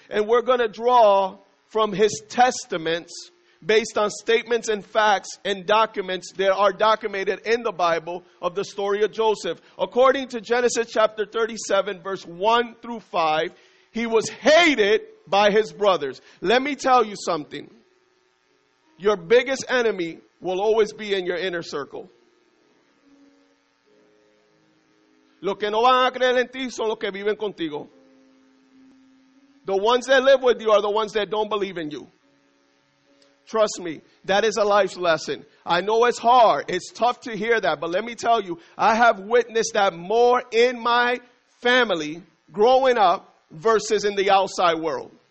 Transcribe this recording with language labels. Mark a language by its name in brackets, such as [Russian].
[English] And we're going to draw from his testaments based on statements and facts and documents that are documented in the Bible of the story of Joseph. According to Genesis chapter 37, verse 1 through 5, he was hated by his brothers. Let me tell you something. Your biggest enemy will always be in your inner circle. [Spanish] Los que no van a creer en ti son los que viven contigo. [English] The ones that live with you are the ones that don't believe in you. Trust me, that is a life lesson. I know it's hard. It's tough to hear that. But let me tell you, I have witnessed that more in my family growing up versus in the outside world.